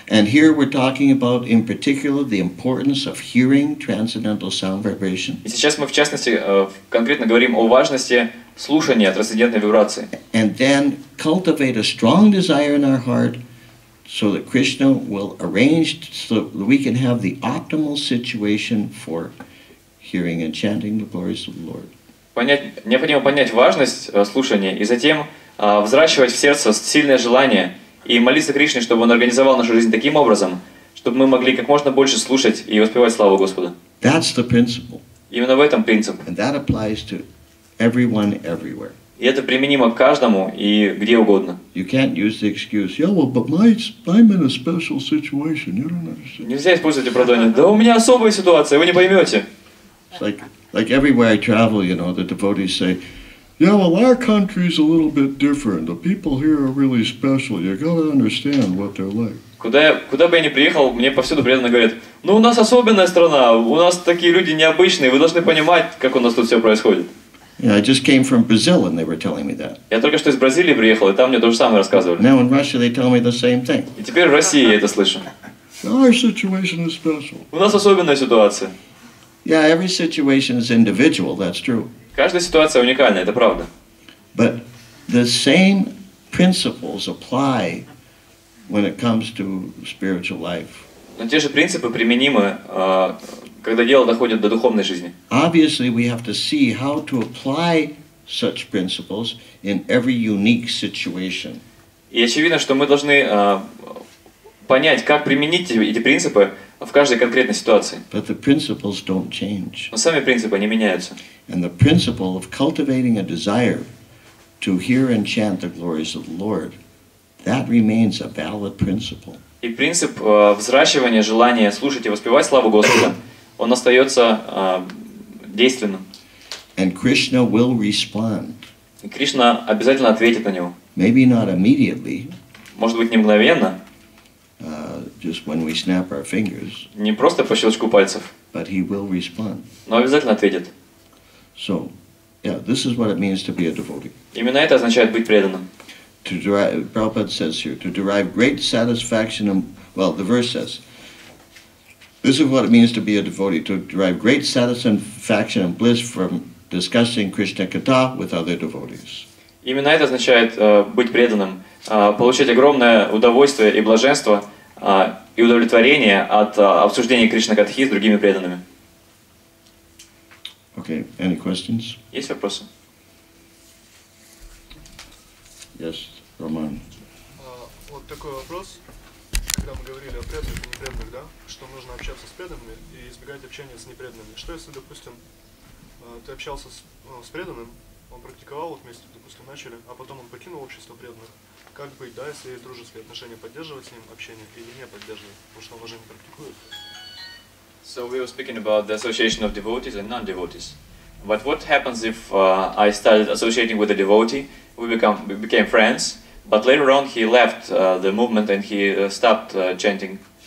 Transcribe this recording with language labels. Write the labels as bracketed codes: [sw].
[en] And here we're talking about in particular the importance of hearing transcendental sound vibration. [ru] И сейчас мы в частности конкретно говорим о важности слушания трансцендентной вибрации. [en] And then cultivate a strong desire in our heart so that Krishna will arrange so that we can have the optimal situation for hearing and chanting the glories of the Lord. [ru] Необходимо понять важность слушания и затем взращивать в сердце сильное желание и молиться Кришне, чтобы Он организовал нашу жизнь таким образом, чтобы мы могли как можно больше слушать и воспевать славу Господу. [en] That's the principle. [ru] Именно в этом принцип. [en] And that applies to everyone, everywhere. [ru] И это применимо к каждому и где угодно. [en] You can't use the excuse, yeah, well, but I'm in a special situation. You don't understand. [ru] Нельзя использовать оправдание. Да у меня особая ситуация, вы не поймете. [en] Like everywhere I travel, you know, the devotees say, yeah, well, our country is a little bit different. The people here are really special. You gotta understand what they're like. [ru] Куда бы я ни приехал, мне повсюду преданно говорят, ну, у нас особенная страна, у нас такие люди необычные, вы должны понимать, как у нас тут все происходит. [en] Yeah, I just came from Brazil and they were telling me that. [ru] Я только что из Бразилии приехал, и там мне то же самое рассказывали. [en] Now in Russia they tell me the same thing. [ru] И теперь в России я это слышу. [en] Our situation is special. [ru] У нас особенная ситуация. [en] Yeah, every situation is individual, that's true. [ru] Каждая ситуация уникальна, это правда. [en] But the same principles apply when it comes to spiritual life. [ru] Но те же принципы применимы, когда дело доходит до духовной жизни. [en] Obviously, we have to see how to apply such principles in every unique situation. [ru] И очевидно, что мы должны понять, как применить эти принципы в каждой конкретной ситуации. [en] But the principles don't change. [ru] Но сами принципы не меняются. [en] And the principle of cultivating a desire to hear and chant the glories of the Lord, that remains a valid principle. [ru] И принцип взращивания желания слушать и воспевать славу Господа, он остается действенным. [en] And Krishna will respond. [ru] И Кришна обязательно ответит на него. [en] Maybe not immediately. [ru] Может быть, не мгновенно. [en] Just when we snap our fingers. [ru] Не просто по щелчку пальцев. [en] But he will respond. [ru] Но обязательно ответит. [en] So, yeah, this is what it means to be a devotee. [ru] Именно это означает быть преданным. [en] Prabhupada says here, to derive great satisfaction, well, the verse says, this is what it means to be a devotee, to derive great satisfaction and bliss from discussing Krishna Katha with other devotees. [ru] Именно это означает быть преданным, получать огромное удовольствие и блаженство и удовлетворение от обсуждения Кришна Катхи с другими преданными. [en] Okay, any questions? [ru] Есть вопросы? [en] Yes, Roman. [ru] Вот такой вопрос. Когда мы говорили о преданных и непреданных, да? Что нужно общаться с преданными и избегать общения с непреданными. Что если, допустим, ты общался с преданным, он практиковал вместе, допустим, начали, а потом он покинул общество преданных. Как быть, да, если есть дружеские отношения, поддерживать с ним общение или не поддерживать, потому что он уже не практикует? [en] So we were speaking about the association of devotees and non-devotees. But what happens if I started associating with a devotee, we became friends, but later on he left the movement and he stopped chanting.